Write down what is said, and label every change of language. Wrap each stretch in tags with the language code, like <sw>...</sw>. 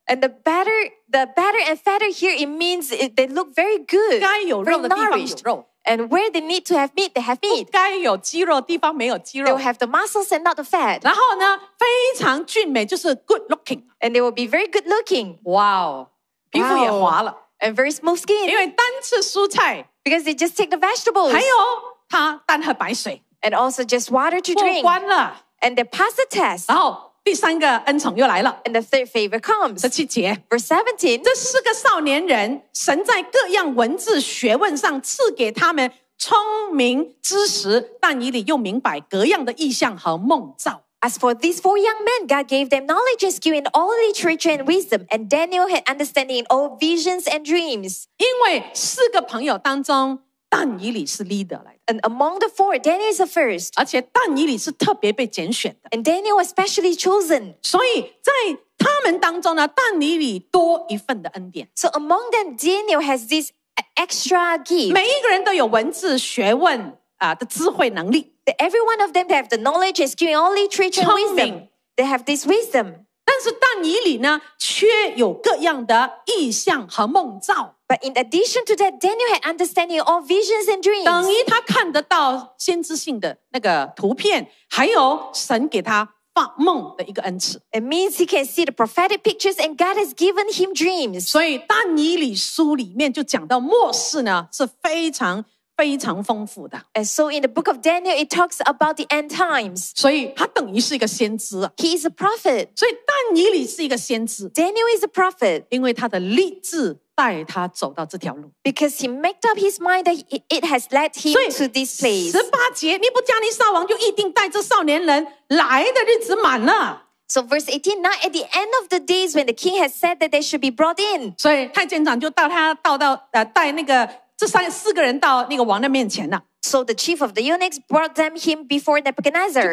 <en>And the better and fatter here, it means they look very good.</en> <zh>该有肉的地方有肉。</zh> <en>And where they need to have meat, they have meat.</en> <zh>不该有肌肉的地方没有肌肉。</zh> <en>They will have the muscles and not the fat.</en> <zh>然后呢非常俊美就是</zh> <en>good looking. And they will be very good looking.</en> <zh>Wow. 皮肤也滑了。</zh> <en>And very smooth skin.</en> <zh>因为单吃蔬菜。</zh> <en>Because they just take the vegetables.</en> <zh>还有他单喝白水。</zh> <en>And also just water to drink.</en> <zh>过关了。</zh> <en>And they pass the test.</en> <zh>然后第三个恩宠又来了。</zh> <en>And the third favor comes.</en> <zh>十七节。</zh> <en>Verse 17.</en> <zh>这四个少年人，神在各样文字学问上赐给他们聪明知识，但以理又明白各样的意象和梦兆。</zh> <en>As for these four young men, God gave them knowledge and skill in all literature and wisdom, and Daniel had understanding in all visions and dreams.</en> <zh>因为四个朋友当中，但以理是 leader 来的。</zh> <en>And among the four, Daniel is the first.</en> <zh>而且但以理是特别被拣选的。</zh> <en>And Daniel was specially chosen.</en> <zh>所以在他们当中呢，但以理多一份的恩典。</zh> <en>So among them, Daniel has this extra gift.</en> <zh>每一个人都有文字学问的智慧能力。</zh> <en>That every one of them, they have the knowledge and skill in all literature and wisdom. They have this wisdom.</en> <zh>但是但以理呢，却有各样的意象和梦兆。</zh> <en>But in addition to that, Daniel had understanding all visions and dreams.</en> <zh>等于他看得到先知性的那个图片，还有神给他发梦的一个恩赐。</zh> <en>It means he can see the prophetic pictures and God has given him dreams.</en> <zh>所以但以理书里面就讲到末世呢，是非常非常丰富的。</zh> <en>And so in the book of Daniel, it talks about the end times.</en> <zh>所以他等于是一个先知。</zh> <en>He is a prophet.</en> <zh>所以但以理是一个先知。</zh> <en>Daniel is a prophet.</en> <zh>因为他的立志带他走到这条路。</zh> <en>Because he made up his mind that it has led him to this place.</en> <zh>十八节，尼布加尼撒王就议定带这少年人来的日子满了。</zh> <en>So verse 18, now at the end of the days when the king has said that they should be brought in.</en> <zh>所以太监长就到他带那个这三四个人到那个王的面前了。</zh> <en>So the chief of the eunuchs brought them him before Nebuchadnezzar.</en>